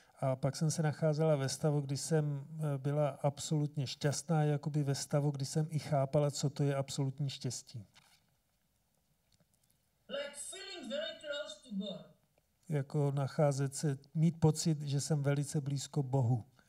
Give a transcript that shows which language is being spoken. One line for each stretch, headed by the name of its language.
Czech: A pak jsem se nacházela ve stavu, kdy jsem byla absolutně šťastná, jakoby ve stavu, kdy jsem i chápala, co to je absolutní štěstí.
English: Like feeling very close to God.
Czech: Jako nacházet se, mít pocit, že jsem velice blízko Bohu.